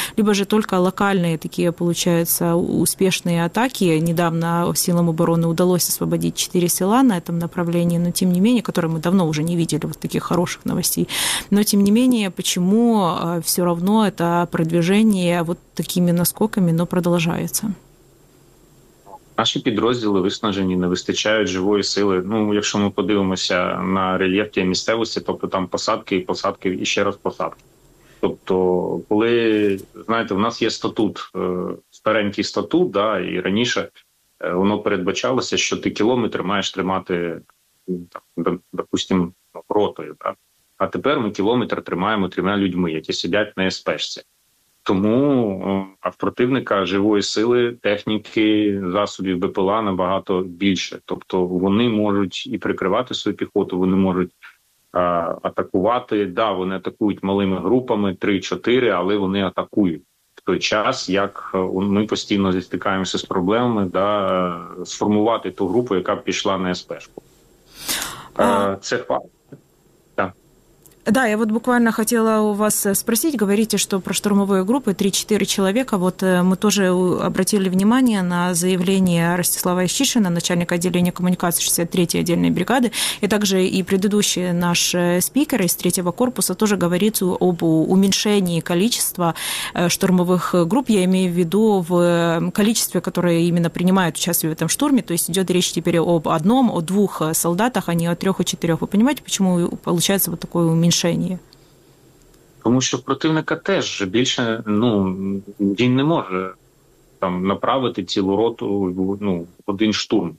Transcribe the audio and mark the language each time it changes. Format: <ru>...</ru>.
<ru>Либо же только локальные такие получаются успешные атаки. Недавно силам обороны удалось освободить 4 села на этом направлении, но тем не менее, которые мы давно уже не видели, вот таких хороших новостей. Но тем не менее, почему все равно это продвижение вот такими наскоками, но продолжается.</ru> <uk>Наші підрозділи виснажені, не вистачає живої сили. Ну, якщо ми подивимося на рельєф тієї місцевості, тобто там посадки і посадки, і ще раз посадки. Тобто, коли, знаєте, в нас є статут, старенький статут, да, і раніше воно передбачалося, що ти кілометри маєш тримати, допустимо, ротою. Да? А тепер ми кілометр тримаємо трьома людьми, які сидять на СПшці. Тому а в противника живої сили, техніки, засобів БПЛА набагато більше. Тобто вони можуть і прикривати свою піхоту, вони можуть атакувати. Да, вони атакують малими групами, 3-4, але вони атакують. В той час, як ми постійно зістикаємося з проблемами, да, сформувати ту групу, яка б пішла на СП-шку. Це факт.</uk> <ru>Да, я вот буквально хотела у вас спросить, говорите, что про штурмовые группы 3-4 человека, вот мы тоже обратили внимание на заявление Ростислава Ищишина, начальника отделения коммуникации 63-й отдельной бригады, и также и предыдущий наш спикер из 3-го корпуса тоже говорит об уменьшении количества штурмовых групп, я имею в виду в количестве, которое именно принимает участие в этом штурме, то есть идет речь теперь об одном, о двух солдатах, а не о трех и четырех. Вы понимаете, почему получается вот такое уменьшение?</ru> <uk>Тому що противника теж більше, ну, він не може там направити цілу роту, ну, один штурм.</uk>